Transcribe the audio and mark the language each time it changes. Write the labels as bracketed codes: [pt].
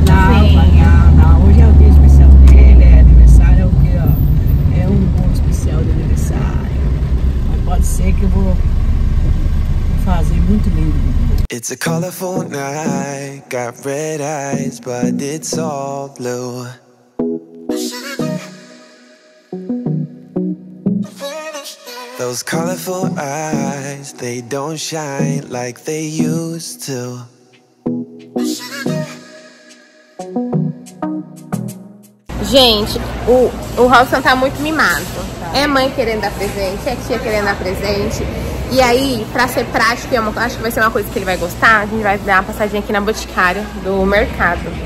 [pt] Não, hoje é o dia especial dele, é aniversário, é o que, ó. É um bom especial de aniversário. Mas pode ser que eu vou fazer muito lindo. [en] It's a colorful night, got red eyes, but it's all blue. Those colorful eyes, they don't shine like they used to. [pt] Gente, o Robson tá muito mimado. É mãe querendo dar presente, é tia querendo dar presente. E aí, pra ser prático, eu acho que vai ser uma coisa que ele vai gostar. A gente vai dar uma passadinha aqui na Boticário do mercado.